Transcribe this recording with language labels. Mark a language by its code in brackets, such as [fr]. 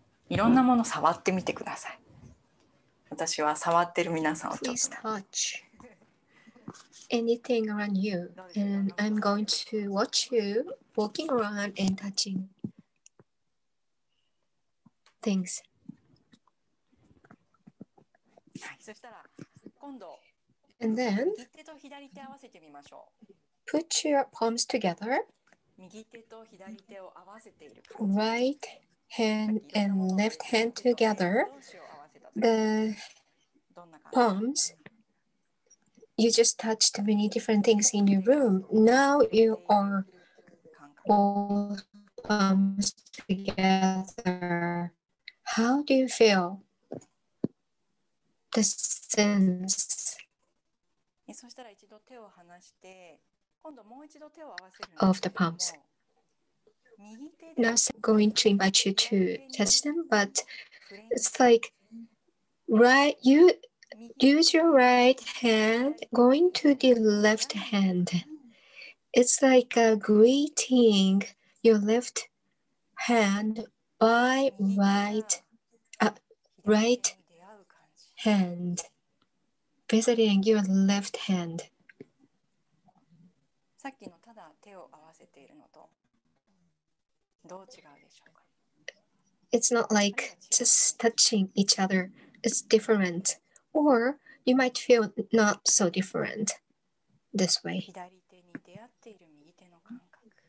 [ja] いろんなもの触ってみてください。私は触ってる皆さんをちょっと。 [en] Please touch anything around you, and I'm going to watch you walking around and touching things. [ja] そしたら今度、 [en] and then [ja] 手と左手合わせてみましょう。 [en] Put your palms together. [ja] 右手と左手を合わせている。 [en] Right hand and left hand together. The palms. You just touched many different things in your room. Now you are all palms together. How do you feel? The sense. [ja] そしたら一度手を離して。今度もう一度手を合わせる。 [en] Of the palms. Now I'm going to invite you to touch them, but it's like right, you use your right hand going to the left hand. It's like a greeting your left hand by right hand, visiting your left hand. [ja] さっきのただ手を合わせているのとどう違うでしょうか? [en] It's not like just touching each other. It's different. Or you might feel not so different this way. [ja] 左手に出会っている右手の感覚。